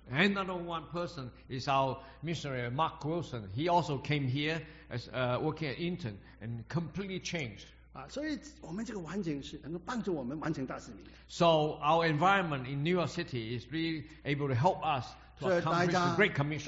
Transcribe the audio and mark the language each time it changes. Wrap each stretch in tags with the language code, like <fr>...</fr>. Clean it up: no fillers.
<en>Another one person is our missionary, Mark Wilson. He also came here as working as an intern and completely changed.</en> <zh>所以我们这个环境是能够帮助我们完成大使命。</zh> <en>So our environment in New York City is really able to help us to accomplish the Great Commission.</en>